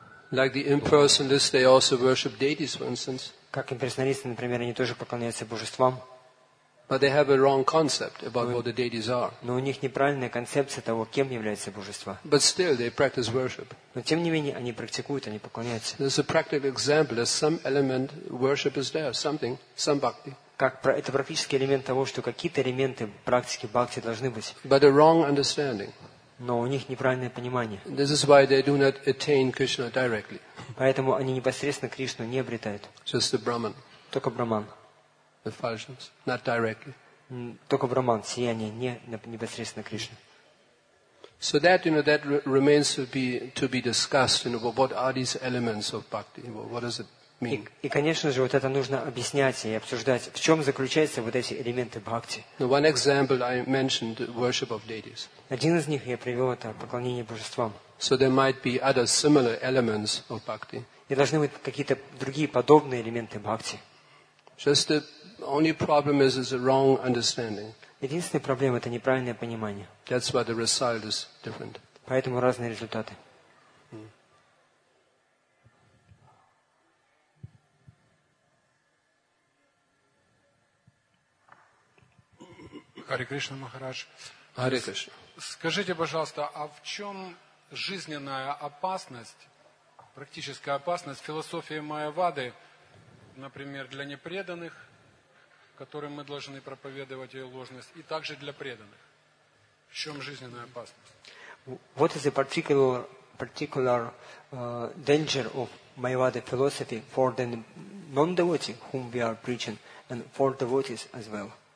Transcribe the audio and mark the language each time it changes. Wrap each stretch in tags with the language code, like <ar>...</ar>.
<en>Like the impersonalists, they also worship deities, for instance.</en> <ru>Как имперсоналисты, например, они тоже поклоняются божествам.</ru> <en>But they have a wrong concept about what the deities are.</en> <ru>Но у них неправильная концепция того, кем являются божества.</ru> <en>But still, they practice worship.</en> <ru>Но тем не менее, они практикуют, они поклоняются.</ru> <en>There's a practical example. There's some element worship is there, something, some bhakti.</en> <ru>Как, это практический элемент того, что какие-то элементы практики бхакти должны быть.</ru> <en>But a wrong understanding.</en> <ru>Но у них неправильное понимание.</ru> <en>This is why they do not attain Krishna directly.</en> <ru>Поэтому они непосредственно Кришну не обретают.</ru> <en>Just the Brahman.</en> <ru>Только Брахман.</ru> <en>The falsions, not directly.</en> <ru>Только Брахман, сияние, не непосредственно Кришна.</ru> <en>So that, you know, that remains to be discussed. You know, what are these elements of bhakti? What is it?</en> <ru>И, конечно же, вот это нужно объяснять и обсуждать, в чем заключаются вот эти элементы бхакти.</ru> <en>One example I mentioned, worship of deities.</en> <ru>Один из них я привел, это поклонение божествам.</ru> <en>So there might be other similar elements of bhakti.</en> <ru>И должны быть какие-то другие подобные элементы бхакти.</ru> <en>Just the only problem is a wrong understanding.</en> <ru>Единственная проблема – это неправильное понимание.</ru> <en>That's why the result is different.</en> <ru>Поэтому разные результаты.</ru> <en>Hare Krishna Maharaj. Hare Krishna.</en> <ru>Скажите, пожалуйста, а в чем жизненная опасность, практическая опасность философии Майявады, например, для непреданных, которым мы должны проповедовать ее ложность, и также для преданных? В чем жизненная опасность?</ru> <en>What is the particular danger of Mayavada philosophy for the non-devotee whom we are preaching and for devotees as well?</en>